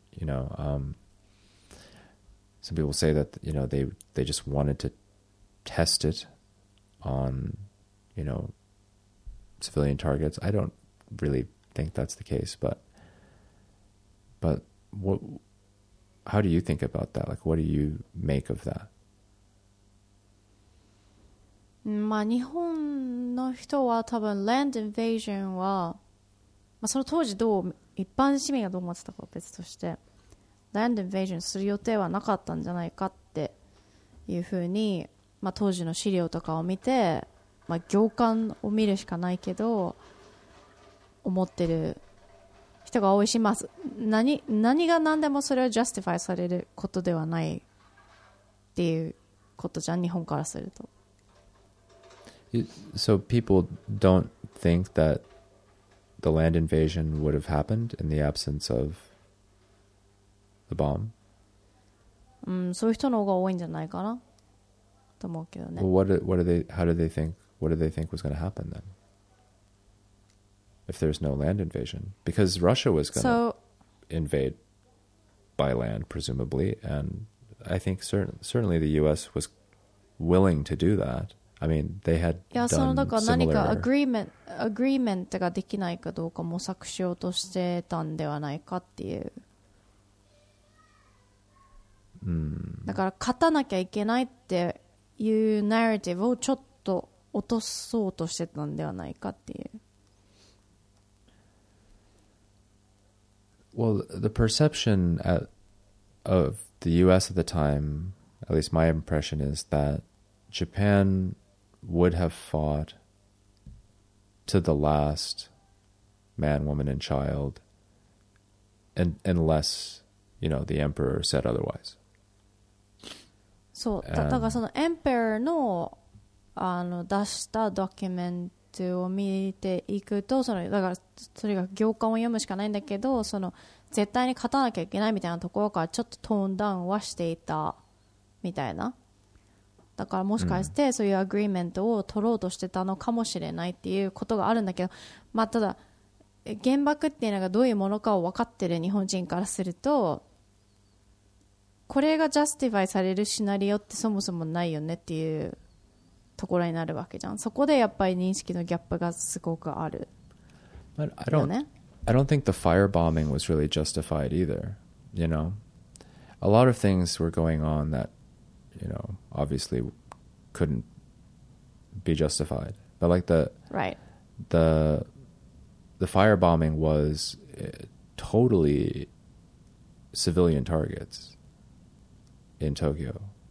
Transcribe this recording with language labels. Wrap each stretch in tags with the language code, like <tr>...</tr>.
<en>You know, some people say that, you know, they just wanted to test it on... you know, civilian targets. I don't really think that's the case, but what, how do you think about that? Like, what do you make of that?</en> <ja>まあ、日本の人は多分</ja> <en>land invasion</en> <ja>は、まあ、その当時どう、一般市民がどう思ってたか別として、land invasion する予定はなかったんじゃないかっていうふうに、まあ、当時の資料とかを見て、まあ、行間を見るしかないけど思ってる人が多いします 何が何でもそれをジャスティファイされることではないっていうことじゃん日本からすると</ja> <en>So people don't think that the land invasion would have happened in the absence of the bomb?</en> <ja>そういう人の方が多いんじゃないかなと思うけどね</ja> <en>What are they, How do they thinkWhat did they think was going to happen then? If there's no land invasion? Because Russia was going to invade by land, presumably. And I think certainly the U.S. was willing to do that. I mean, they had done similar...</en> <ja>だから何かアグリーメントができないかどうか模索しようとしてたんではないかっていう。だから勝たなきゃいけないっていうナラティブをちょっと落とそうとしてたんではないかっていう。</ja> <en>Well, the perception of the U.S. at the time, at least my impression, is that Japan would have fought to the last man, woman, and child, and unless you know the emperor said otherwise.</en> <ja>そう、だからそのエンペラーの。あの出したドキュメントを見ていくとそのだからそれが行間を読むしかないんだけどその絶対に勝たなきゃいけないみたいなところからちょっとトーンダウンはしていたみたいなだからもしかしてそういうアグリーメントを取ろうとしてたのかもしれないっていうことがあるんだけど、まあ、ただ原爆っていうのがどういうものかを分かってる日本人からするとこれがジャスティファイされるシナリオってそもそもないよねっていうところになるわけじゃん。そこでやっぱり認識のギャップがすごくある。</ja> <en>But I don't think the firebombing was really justified either. You know, a lot of things were going on that, you know, obviously couldn't be justified. But like the right, the firebombing was totally civilian targets in Tokyo.</en>